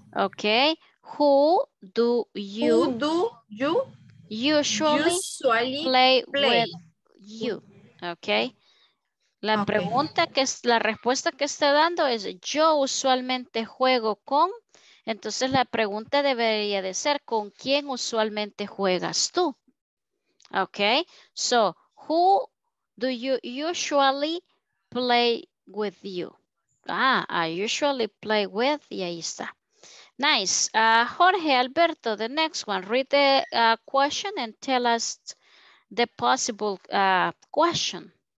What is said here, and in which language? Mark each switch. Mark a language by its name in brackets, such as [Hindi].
[English] Okay, who do you usually play with you? [Spanish] Okay, pregunta que es la respuesta que está dando es yo usualmente juego con, entonces la pregunta debería de ser con quién usualmente juegas tú. [English] Okay, so who do you usually play with you? I usually play with, [Spanish] y ahí está. [English] Nice. Jorge, Alberto, the next one. Read the question and tell us the possible question.